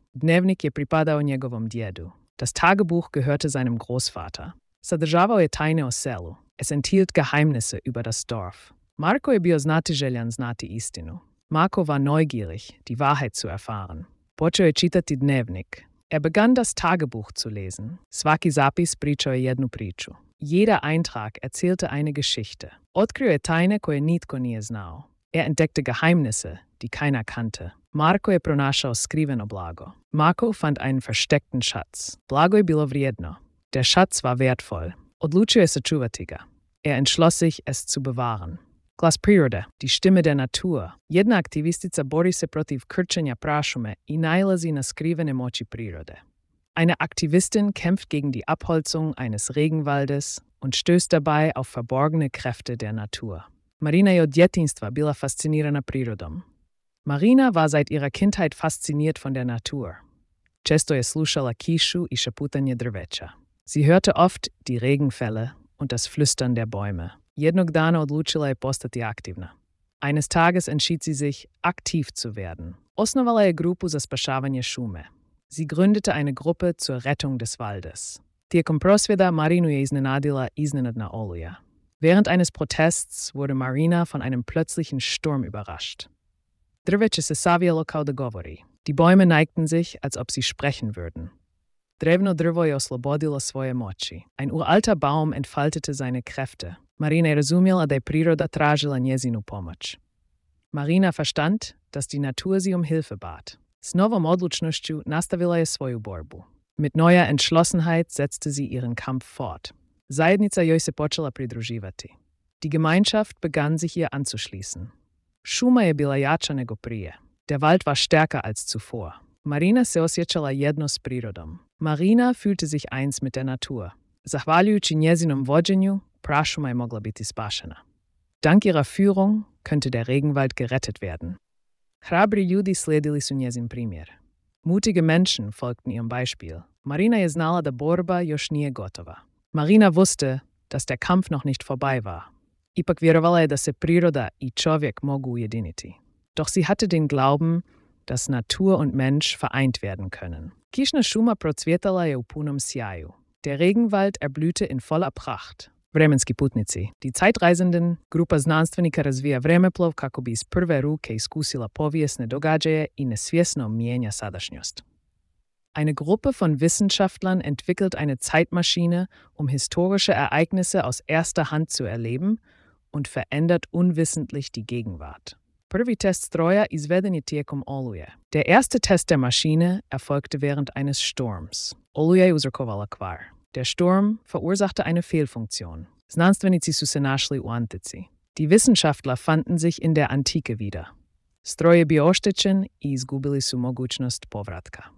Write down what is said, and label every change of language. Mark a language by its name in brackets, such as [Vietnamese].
[Croatian] Dnevnik je pripadao njegovom djedu. [German] Das Tagebuch gehörte seinem Großvater. [Croatian] Sadržavao je tajne o selu. [German] Es enthielt Geheimnisse über das Dorf. [Croatian] Marko je bio znatiželjan znati istinu. [German] Marko war neugierig, die Wahrheit zu erfahren. [Croatian] Počeo je čitati dnevnik. [German] Er begann das Tagebuch zu lesen. [Croatian] Svaki zapis pričao je jednu priču. [German] Jeder Eintrag erzählte eine Geschichte. [Croatian] Otkrio je tajne koje nitko nije znao. [German] Er entdeckte Geheimnisse, die keiner kannte. [Croatian] Marko je pronašao skriveno blago. [German] Marko fand einen versteckten Schatz. [Croatian] Blago je bilo vrijedno. [German] Der Schatz war wertvoll. [Croatian] Odlučio je sačuvati ga. [German] Er entschloss sich, es zu bewahren. [Croatian] Glas prirode, [German] die Stimme der Natur. [Croatian] Jedna aktivistica bori se protiv krčenja prašume i nailazi na skrivene moći prirode. [German] Eine Aktivistin kämpft gegen die Abholzung eines Regenwaldes und stößt dabei auf verborgene Kräfte der Natur. [Croatian] Marina je od djetinstva bila fascinirana prirodom. [German] Marina war seit ihrer Kindheit fasziniert von der Natur. [Croatian] Često je slušala kišu i šaputanje drveća. [German] Sie hörte oft die Regenfälle und das Flüstern der Bäume. [Croatian] Jednog dana odlučila je postati aktivna. [German] Eines Tages entschied sie sich, aktiv zu werden. [Croatian] Osnovala je grupu za spašavanje šume. [German] Sie gründete eine Gruppe zur Rettung des Waldes. [Croatian] Tijekom prosvjeda Marinu je iznenadila iznenadna oluja. [German] Während eines Protests wurde Marina von einem plötzlichen Sturm überrascht. [Croatian] Drveće se savijalo kao da govori. [German] Die Bäume neigten sich, als ob sie sprechen würden. [Croatian] Drevno drvo je oslobodilo svoje moći. [German] Ein uralter Baum entfaltete seine Kräfte. [Croatian] Marina je razumjela da je priroda tražila njezinu pomoć. [German] Marina verstand, dass die Natur sie um Hilfe bat. [Croatian] S novom odlučnošću nastavila je svoju borbu. [German] Mit neuer Entschlossenheit setzte sie ihren Kampf fort. [Croatian] Zajednica joj se počela pridruživati. [German] Die Gemeinschaft begann sich ihr anzuschließen. [Croatian] Šuma je bila jača nego prije. [German] Der Wald war stärker als zuvor. [Croatian] Marina se osjećala jedno s prirodom. [German] Marina fühlte sich eins mit der Natur. [Croatian] Zahvaljujući njezinom vođenju, prašuma je mogla biti spašena. [German] Dank ihrer Führung könnte der Regenwald gerettet werden. [Croatian] Hrabri ljudi slijedili su njezin primjer. [German] Mutige Menschen folgten ihrem Beispiel. [Croatian] Marina je znala da borba još nije gotova. [German] Marina wusste, dass der Kampf noch nicht vorbei war. [Croatian] Ipak vjerovala je da se priroda i čovjek mogu ujediniti. [German] Doch sie hatte den Glauben, dass Natur und Mensch vereint werden können. [Croatian] Kišna šuma procvjetala je u punom sjaju. [German] Der Regenwald erblühte in voller Pracht. [Croatian] Vremenski putnici. [German] Die Zeitreisenden, [Croatian] grupa znanstvenika razvija vremeplov kako bi iz prve ruke iskusila povijesne događaje i nesvjesno mijenja sadašnjost. [German] Eine Gruppe von Wissenschaftlern entwickelt eine Zeitmaschine, um historische Ereignisse aus erster Hand zu erleben und verändert unwissentlich die Gegenwart. [Croatian] Prvi test stroja izveden je tijekom oluje. [German] Der erste Test der Maschine erfolgte während eines Sturms. [Croatian] Oluja je uzrokovala kvar. [German] Der Sturm verursachte eine Fehlfunktion. [Croatian] Znanstvenici su se našli u antici. [German] Die Wissenschaftler fanden sich in der Antike wieder. [Croatian] Stroj je bio oštećen i izgubili su mogućnost povratka.